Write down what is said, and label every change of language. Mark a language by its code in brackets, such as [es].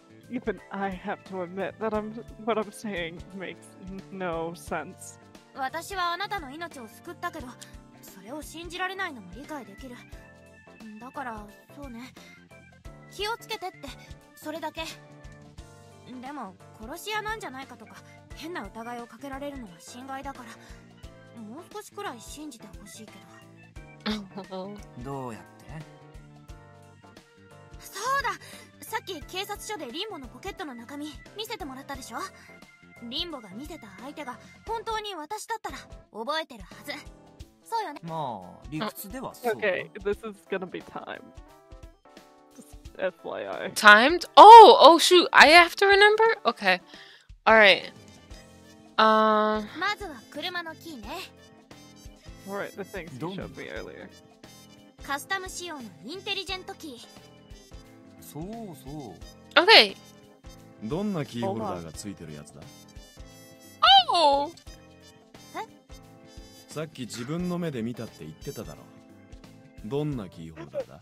[en] Even I have to admit that what I'm saying makes no sense. [ja] 私はあなたの命を救ったけど、それを信じられないのも理解できる。だから、そうね。気をつけてって、それだけ。でも、殺し屋なんじゃないかとか、変な疑いをかけられるのは心外だから、もう少しくらい信じてほしいけど。どうやって? そうだ! さっき警察署でリンボのポケットの中身、見せてもらったでしょ? リンボが見せた相手が本当に私だったら覚えてるはず。そうよね。まあ理屈ではそう。 [en] Okay, this is gonna be timed. Just FYI. Timed? Oh, oh shoot! I have to remember. Okay. All right. [ja] まずは車のキーね。 [en] All right, the things you showed me earlier. [ja] カスタム仕様のインテリジェントキー。そうそう。 [en] Okay. [ja] どんなキーホルダーがついてるやつだ。さっき自分の目で見たって言ってただろ。どんなキーホルダーだ?